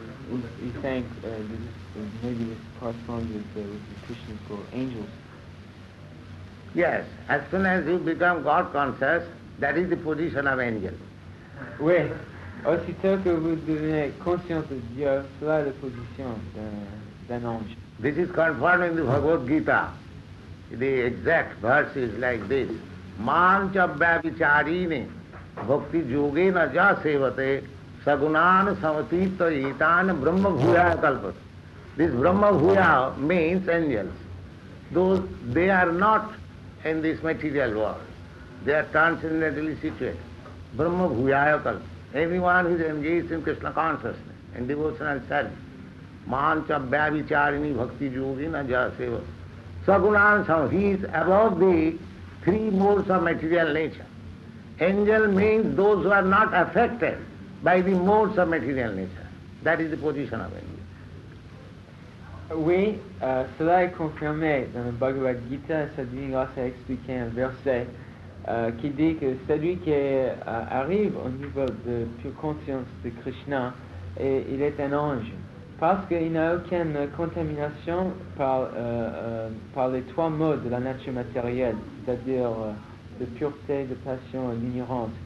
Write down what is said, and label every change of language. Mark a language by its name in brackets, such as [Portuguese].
[English] You think maybe this corresponds with the Krishna called angels? Yes, as soon as you become God conscious, that is the position of angel. Oui, aussitôt que vous devenez conscient de Dieu, cela est la position d'un ange. This is confirmed in the Bhagavad Gita. The exact verse is like this: [Sanskrit] Mancha bhavicharine bhakti yogena ja sevate Sagunan Samatita Itan Brahma Bhuya Kalpat. [English] This Brahma Bhuya means angels. Though they are not in this material world, they are transcendentally situated. Brahma Bhuya Kalpat. Anyone who is engaged in Krishna consciousness and devotional service, [Sanskrit] Mancha Bhavicharini Bhakti Yogina Jaseva. Sagunan Samatita, [English] he is above the three modes of material nature. Angel means those who are not affected by the modes of material nature. That is the position of angel. [French] Oui, cela est confirmé dans le Bhagavad Gita. Sa divine grâce a expliqué un verset qui dit que celui qui arrive au niveau de pure conscience de Krishna, et il est un ange, parce qu'il n'a aucune contamination par les trois modes de la nature matérielle, c'est-à-dire de pureté, de passion et d'ignorance.